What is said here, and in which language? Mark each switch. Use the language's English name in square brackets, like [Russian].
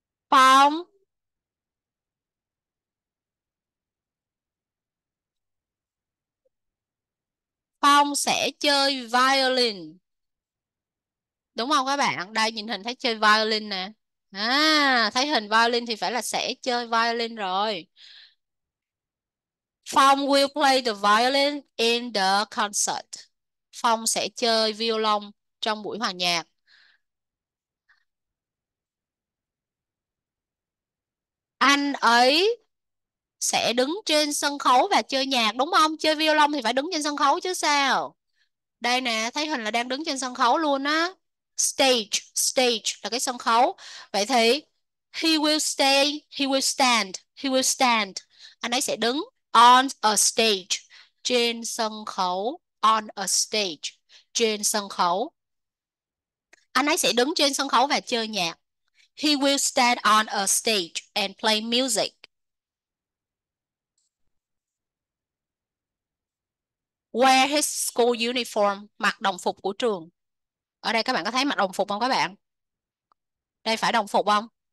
[Vietnamese] Phong Phong sẽ chơi violin. Đúng không các bạn? Đây nhìn hình thấy chơi violin nè. À, thấy hình violin thì phải là sẽ chơi violin rồi. [English] Phong will play the violin in the concert. [Vietnamese] Phong sẽ chơi violon trong buổi hòa nhạc. Anh ấy sẽ đứng trên sân khấu và chơi nhạc, đúng không? Chơi violon thì phải đứng trên sân khấu chứ sao? Đây nè, thấy hình là đang đứng trên sân khấu luôn á. [English] Stage, stage [Vietnamese] là cái sân khấu. Vậy thì [English] he will stay, he will stand. [Vietnamese] Anh ấy sẽ đứng [English] on a stage, [Vietnamese] trên sân khấu, on a stage, trên sân khấu. Anh ấy sẽ đứng trên sân khấu và chơi nhạc. [English] He will stand on a stage and play music. Wear his school uniform, [Vietnamese] mặc đồng phục của trường. Ở đây các bạn có thấy mặc đồng phục không các bạn? Đây phải đồng phục không?